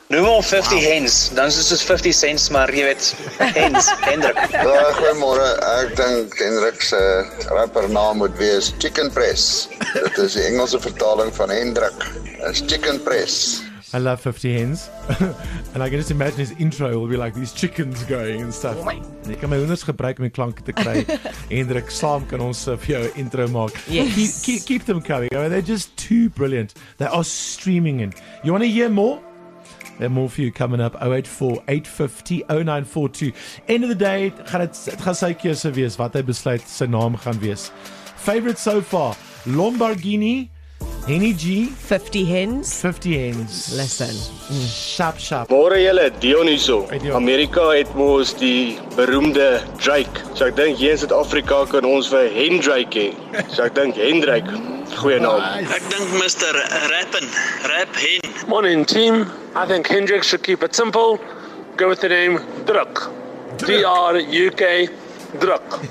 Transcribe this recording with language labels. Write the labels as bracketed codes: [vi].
[af] Noem al 50 wow. Hens, dan is dit 50 cents, maar jy weet, Hens, Hendrik. Goeiemôre, ek dink Hendrik se rapper naam moet wees Chicken Press. Dit is die Engelse vertaling van Hendrik, is Chicken Press. [en] I love 50 Hens. And I can just imagine his intro will be like these chickens going and stuff. [af] Ek kan my hoenders gebruik om die klanke te kry. Hendrik, saam kan ons vir jou intro maak. [en] Yes. Keep them coming. I mean, they're just too brilliant. They are streaming in. You want to hear more? There are more for you coming up. 084-850-0942. End of the day, [af] gaan sy keuse wees wat hy besluit sy naam gaan wees. [en] Favorite so far, Lamborghini. Henny G. 50 Hens. Listen. Shop, shop. [af] Môre julle, Dion hierso. Amerika het mos die beroemde Drake. So ek dink hier in Suid-Afrika kan ons vir Hendrik hê. So ek dink Hendrik, goeie naam. Nice. Ek dink Mr. Rappen. Rap Hen. [en] Morning team. I think Hendrik should keep it simple. Go with the name Druk. D-R-U-K. Druk.